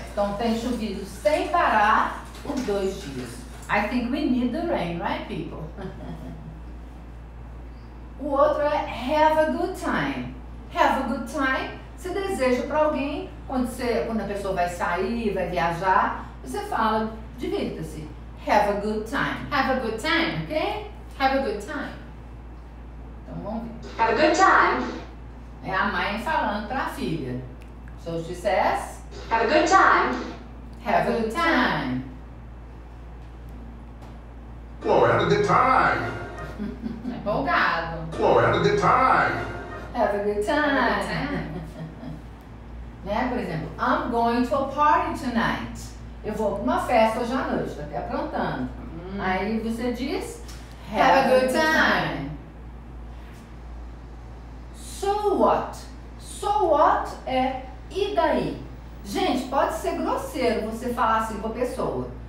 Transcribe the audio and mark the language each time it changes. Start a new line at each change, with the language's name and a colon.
Portuguese: Então tem chovido sem parar por dois dias.
English: I think we need the rain, right, people?
Portuguese: O outro é have a good time. Have a good time, você deseja para alguém, quando a pessoa vai sair, vai viajar, você fala, divirta-se.
English: Have a good time. Have a good time, ok? Have a good time.
Portuguese: Então vamos ver.
English: Have a good time.
Portuguese: É a mãe falando para a filha.
English: So she says, have a good time. Have a good time. Chloe, have a good time.
Portuguese: Empolgado.
English: Chloe, have a good time. Have a good time. Have a good time. Né?
Portuguese: Por exemplo,
English: I'm going to a party tonight.
Portuguese: Eu vou para uma festa hoje à noite, estou até aprontando. Aí você diz,
English: have a good time. So what? So what
Portuguese: é e daí? Gente, pode ser grosseiro você falar assim com a pessoa.